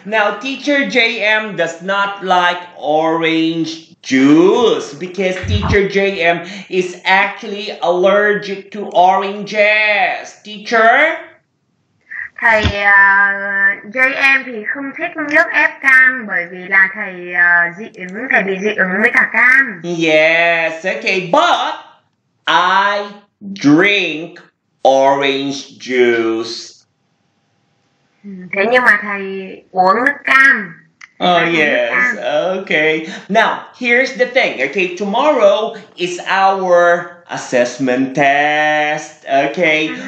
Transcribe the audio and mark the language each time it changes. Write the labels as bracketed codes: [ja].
[en] Now, Teacher JM does not like orange juice because Teacher JM is actually allergic to oranges. Teacher? [vi] Thầy JM thì không thích nước ép cam bởi vì là thầy dị ứng, thầy bị dị ứng với cả cam. [en] Yes, okay, but I drink orange juice. [vi] Thế nhưng mà thầy uống nước cam. [en] Oh, yes, okay. Now, here's the thing, okay, tomorrow is our assessment test, okay?